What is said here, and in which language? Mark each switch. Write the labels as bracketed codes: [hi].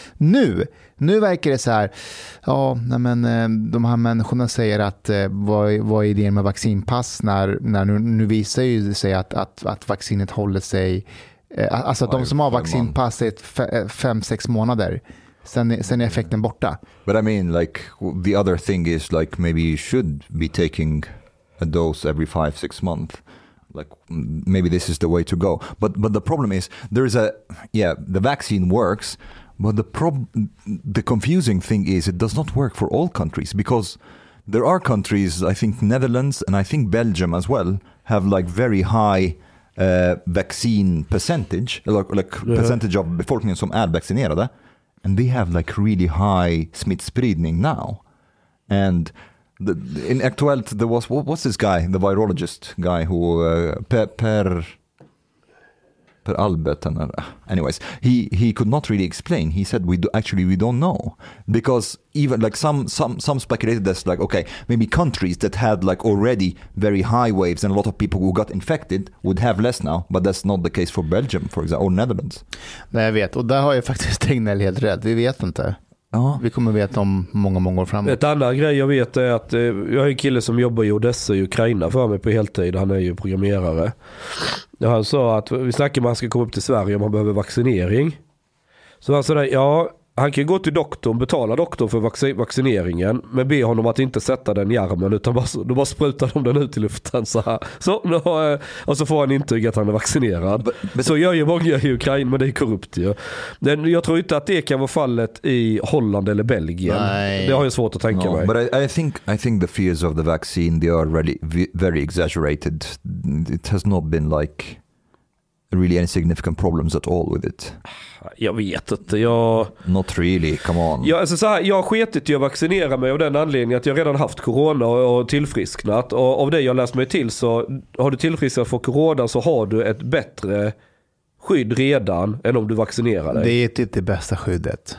[sv] Nu verkar det så här, ja, nej men, de här människorna säger att vad är det med vaccinpass när nu visar ju sig att vaccinet håller sig, alltså att de som har vaccinpass är 5-6 månader. Sen är effekten borta. [en] But I mean, like, the other thing is, like, maybe you should be taking a dose every 5-6 months. Like, maybe this is the way to go. But the problem is, there is a, yeah, the vaccine works, but the confusing thing is, it does not work for all countries, because there are countries, I think Netherlands and I think Belgium as well, have, like, very high vaccine percentage, like yeah, percentage of [sv] befolkningen som är vaccinerade. [en] And they have like really high smittspridning now. And in Aktuellt, there was, what's this guy, the virologist guy who, Per Albert, anyways, he could not really explain. He said, we don't know. Because even like some speculated that's like, okay, maybe countries that had like already very high waves and a lot of people who got infected would have less now. But that's not the case for Belgium, for example, or Netherlands. [sv] Nej, jag vet. Och där har jag faktiskt Tegnell helt rätt. Vi vet inte. Vi kommer att veta om många, många år framåt. Ett annat grej jag vet är att jag har en kille som jobbar i Odessa i Ukraina för mig på heltid. Han är ju programmerare. Och han sa att vi snackar om han ska komma upp till Sverige om han behöver vaccinering. Så han sa där, ja, han kan gå till doktorn, betala doktorn för vaccineringen, men be honom att inte sätta den i armen, utan bara spruta dem den ut i luften. Så nu har jag, och så får han intyg att han är vaccinerad. Så gör ju många i Ukraina, men det är korrupt ju. Men jag tror inte att det kan vara fallet i Holland eller Belgien. Nej. Det har jag svårt att tänka mig. [en] But I think the fears of the vaccine, they are really very exaggerated. It has not been like really any significant problems at all with it. [sv] Jag vet inte. Jag... [en] Not really, come on. [sv] Jag, alltså så här, jag har sketit i att vaccinera mig av den anledningen att jag redan haft corona och tillfrisknat. Och av det jag läst mig till, så har du tillfrisknat för corona så har du ett bättre skydd redan än om du vaccinerar dig. Det är typ det bästa skyddet.